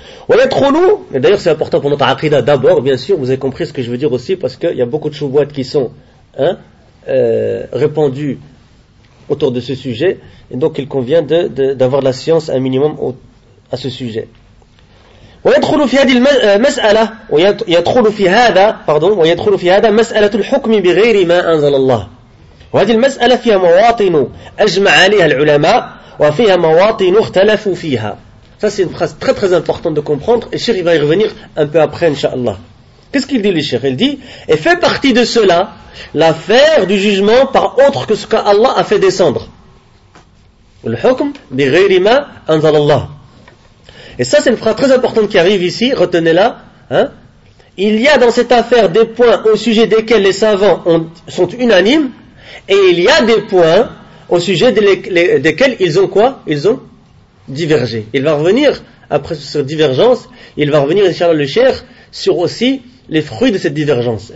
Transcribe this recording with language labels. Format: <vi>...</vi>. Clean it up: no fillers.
<fr>Et d'ailleurs c'est important pour notre aqidah d'abord, bien sûr, vous avez compris ce que je veux dire aussi, parce qu'il y a beaucoup de chouboîtes qui sont répandues autour de ce sujet, et donc il convient d'avoir la science un minimum à ce sujet.</fr> <ar>ويدخل في هذه المسألة ويدخل في هذا pardon ويدخل في هذا مسألة الحكم بغير ما أنزل الله. وهذه المسألة فيها مواطن أجمع عليها العلماء وفيها مواطن اختلفوا فيها.</ar> <fr>Ça c'est une phrase très très importante de comprendre, et Cheikh va y revenir un peu après, inshallah. Qu'est-ce qu'il dit le Cheikh? Il dit, et fait partie de cela l'affaire du jugement par autre que ce que Allah a fait descendre.</fr> <ar>Le hukm بغير ما أنزل الله.</ar> <fr>Et ça, c'est une phrase très importante qui arrive ici, retenez-la. Hein. Il y a dans cette affaire des points au sujet desquels les savants sont unanimes, et il y a des points au sujet desquels ils ont quoi? Ils ont divergé. Il va revenir, après sur divergence, il va revenir, inchallah le cher, sur aussi les fruits de cette divergence.</fr>